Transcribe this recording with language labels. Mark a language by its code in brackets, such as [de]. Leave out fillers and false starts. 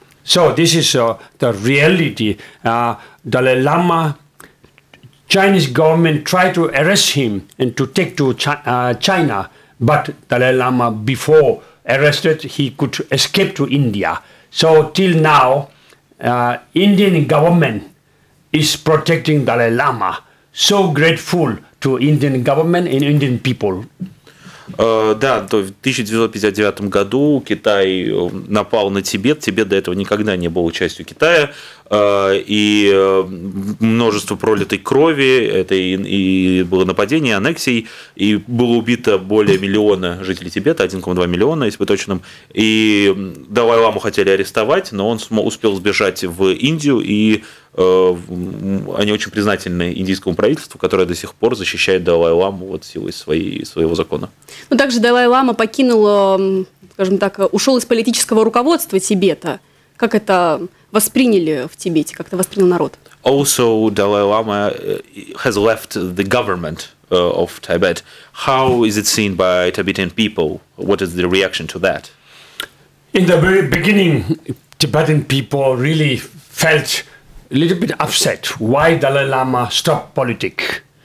[en] So this is the reality. Dalai Lama, Chinese government tried to arrest him and to take to China, but Dalai Lama before arrested, he could escape to India. So till now, Indian government is protecting Dalai Lama. So grateful to Indian government and Indian people. [ru] Да, то в 1959 году Китай напал на Тибет. Тибет до этого никогда не был частью Китая. И множество пролитой крови, это и было нападение, аннексий, и было убито более миллиона жителей Тибета, 1,2 миллиона, если быть точным. И Далай-ламу хотели арестовать, но он успел сбежать в Индию, и они очень признательны индийскому правительству, которое до сих пор защищает Далай-ламу вот силой своего закона. Но также Далай-лама покинул, скажем так, ушел из политического руководства Тибета. Как это восприняли в Тибете, как это воспринял народ? [en] Also, Dalai Lama has left the government of Tibet. How is it seen by Tibetan people? What is the reaction to that? In the very beginning, Tibetan people really felt a little bit upset why Dalai Lama stopped politics.